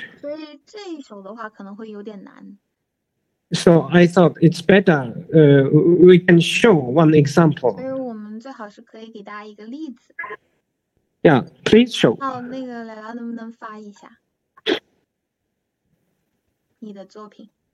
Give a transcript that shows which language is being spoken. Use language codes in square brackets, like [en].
[zh] 所以这一首的话可能会有点难。 [en] So I thought it's better, we can show one example. [zh] 所以我们最好是可以给大家一个例子。 [en] Yeah, please show. [zh] 好，那个来了，能不能发一下你的作品？